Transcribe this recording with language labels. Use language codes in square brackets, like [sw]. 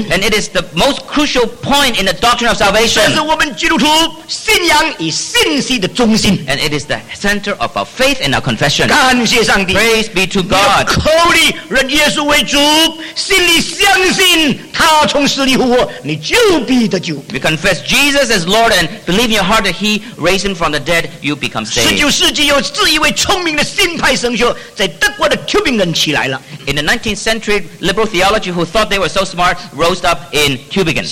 [en] and it is the most crucial point in the doctrine of salvation. [zh] 这是我们基督徒信仰与信息的中心, [en] and it is the center of our faith and our confession. [zh] 感谢上帝, [en] praise be to God. [zh] 你要口里认耶稣为主, 心里相信他从死里复活, [en] we confess Jesus as Lord and believe in your heart that he raised him from the dead, you become saved. In the 19th century, liberal theology who thought they were so smart rose up in Tübingen.